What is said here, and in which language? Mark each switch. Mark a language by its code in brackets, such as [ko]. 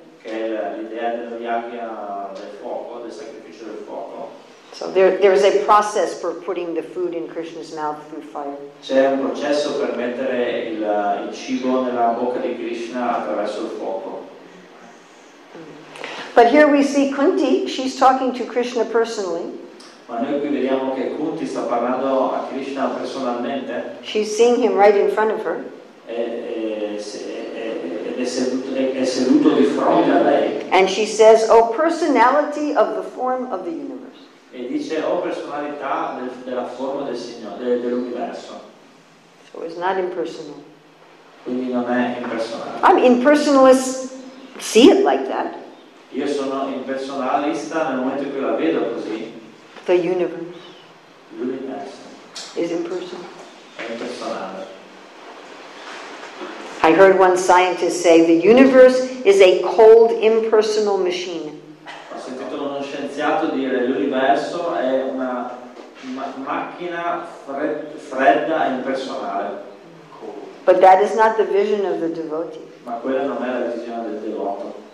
[it] Che è l'idea del yagya del fuoco, del sacrificio del fuoco. [en] So there is a process for putting the food in Krishna's mouth through fire. [it] C'è un processo per mettere il cibo nella bocca di Krishna attraverso il fuoco. [en] But here we see Kunti, she's talking to Krishna personally. [it] Ma noi qui vediamo che Kunti sta parlando a Krishna personalmente. [en] She's seeing him right in front of her. [it] È seduto di fronte a lei. [en] And she says, "Oh, personality of the form of the universe." [it] E dice, oh, personalità della forma del Signore, dell'universo. [en] So it's not impersonal. [it] Quindi non è impersonale. [en] I'm impersonalist. See it like that. [it] Io sono impersonalista nel momento in cui la vedo così. [en] The universe. [it] L'universo. [en] Is impersonal. [it] È impersonale. [en] I heard one scientist say the universe is a cold, impersonal machine. [it] Ho sentito uno scienziato dire l'universo è una macchina fredda e impersonale. [en] But that is not the vision of the devotee. [it] Ma quella non è la visione del devoto.